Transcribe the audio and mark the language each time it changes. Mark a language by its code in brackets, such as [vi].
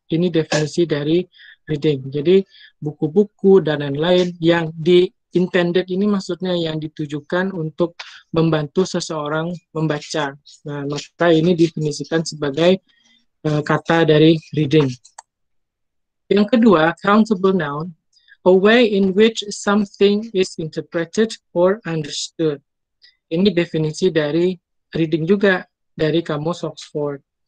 [id] Ini definisi dari reading. Jadi, buku-buku dan lain-lain yang di-intended ini maksudnya yang ditujukan untuk membantu seseorang membaca. Nah, maka ini definisikan sebagai kata dari reading. Yang kedua, countable noun. [en] A way in which something is interpreted or understood. [id] Ini definisi dari reading juga dari kamus Oxford.